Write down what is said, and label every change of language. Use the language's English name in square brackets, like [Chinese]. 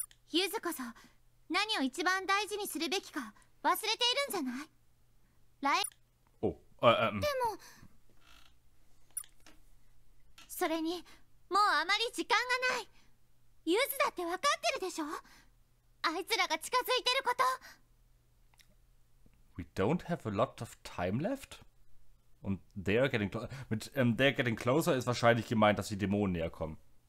[Japanese] ユズこそ何を一番大事にするべきか忘れているんじゃない。ライム。でも。それにもうあまり時間がない。ユズだって分かってるでしょ。あいつらが近づいてること。 [English] We don't have a lot of time left. [German] Und [English] they're getting closer [German] ist wahrscheinlich gemeint, dass die Dämonen näher kommen.